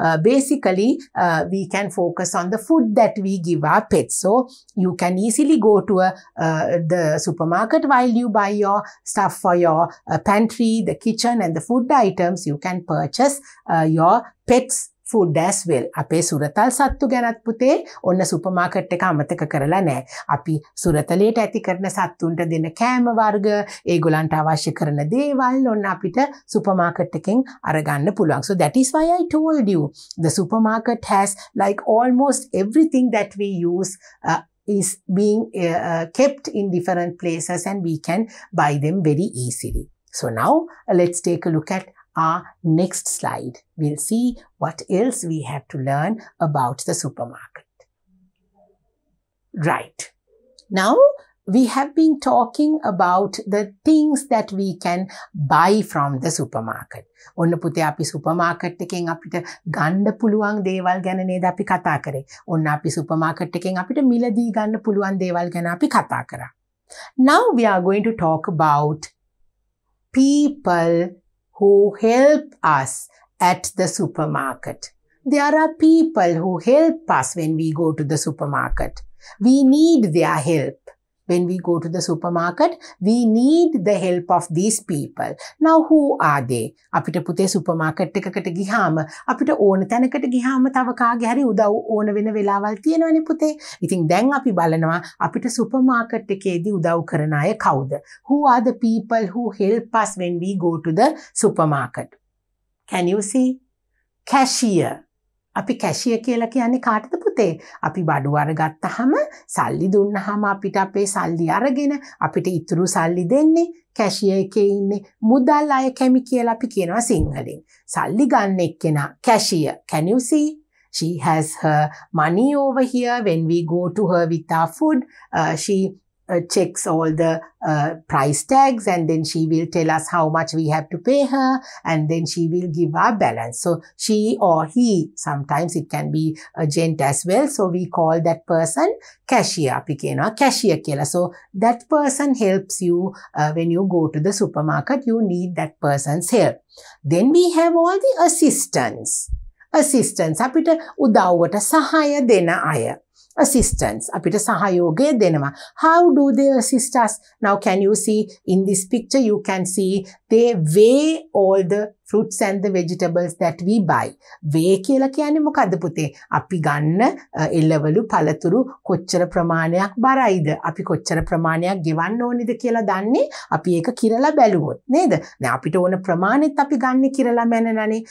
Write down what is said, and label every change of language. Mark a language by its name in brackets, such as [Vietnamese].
[English] Basically, we can focus on the food that we give our pets. So you can easily go to the supermarket while you buy your stuff for your pantry, the kitchen, and the food items. You can purchase your pet's food as well. [Sinhala] අපේ සුරතල් සත්තු ගැනත් පුතේ ඔන්න supermarket එක අමතක කරලා නැහැ. අපි සුරතලයට ඇති කරන සත්තුන්ට දෙන කෑම වර්ග, ඒගොල්ලන්ට අවශ්‍ය කරන දේවල් ඔන්න අපිට සුපර්මාකට් එකෙන් අරගන්න පුළුවන්. [English] So that is why I told you the supermarket has like almost everything that we use is being kept in different places and we can buy them very easily. So now, let's take a look at our next slide. We'll see what else we have to learn about the supermarket. Right. Now, we have been talking about the things that we can buy from the supermarket. [Sinhala] ඔන්න පුතේ අපි supermarket එකෙන් අපිට ගන්න පුළුවන් දේවල් ගැන නේද අපි කතා කරේ. ඔන්න අපි සුපර්මාකට් එකෙන් අපිට මිලදී ගන්න පුළුවන් දේවල් ගැන අපි කතා කරා. [English] Now, we are going to talk about people who help us at the supermarket. There are people who help us when we go to the supermarket. We need their help. When we go to the supermarket, we need the help of these people. Now, who are they? [Sinhala] අපිට පුතේ supermarket එකකට ගිහාම අපිට ඕන තැනකට ගිහාම තව කාගේ හරි උදව් ඕන වෙන වෙලාවල් තියෙනවනේ පුතේ. ඉතින් දැන් අපි බලනවා අපිට සුපර්මාකට් එකේදී උදව් කරන අය කවුද? [English] Who are the people who help us when we go to the supermarket? Can you see? Cashier. [Sinhala] අපි කැෂියර් කියලා කියන්නේ කාටද පුතේ? අපි බඩු අරගත්තාම සල්ලි දුන්නාම අපිට අපේ සල්ලි අරගෙන අපිට ඉතුරු සල්ලි දෙන්නේ කැෂියර් එකේ ඉන්නේ මුදල් අය කැමි කියලා අපි කියනවා සිංහලෙන්. සල්ලි ගන්න එක්කෙනා cashier. [English] Can you see? She has her money over here. When we go to her with our food, she checks all the price tags and then she will tell us how much we have to pay her and then she will give our balance. So she or he, sometimes it can be a gent as well. So we call that person cashier. [Sinhala] අපි කියනවා cashier කියලා. [English] So that person helps you when you go to the supermarket. You need that person's help. Then we have all the assistants. Assistants. [Sinhala] අපිට උදව්වට සහාය දෙන අය. Assistants. අපිට සහයෝගය දෙනවා. [English] How do they assist us? Now, can you see in this picture, you can see they weigh all the fruits and the vegetables that we buy. [Sinhala] Weigh කියලා කියන්නේ මොකද්ද පුතේ? අපි ගන්න එළවලු පළතුරු කොච්චර ප්‍රමාණයක් බරයිද? අපි කොච්චර ප්‍රමාණයක් ගෙවන්න ඕනිද කියලා දන්නේ අපි ඒක කිරලා බැලුවොත් නේද? දැන් අපිට ඕන ප්‍රමාණෙත් අපි ගන්න කිරලා මැනනනේ.